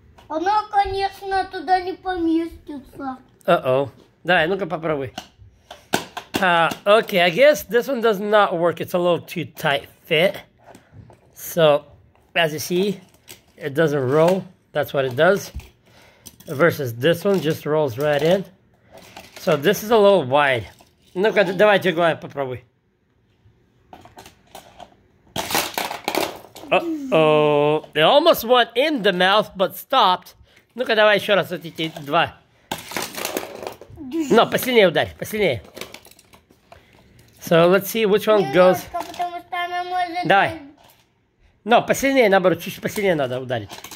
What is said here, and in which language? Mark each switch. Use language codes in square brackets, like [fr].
[ru] Оно, конечно, туда не поместится. Uh-oh. Давай, ну-ка попробуй. [en] Okay, I guess this one does not work. It's a little too tight fit. So, as you see, it doesn't roll. That's what it does. Versus this one just rolls right in. So, this is a little wide. [ru] Ну-ка, давай, Jaguar, попробуй. [en] Uh-oh, it almost went in the mouth, but stopped. [ru] Ну-ка, давай еще раз вот эти два. Но, посильнее ударь, посильнее. [en] So, let's see which one goes. Давай. [ru] Но, посильнее, наоборот, чуть посильнее надо ударить.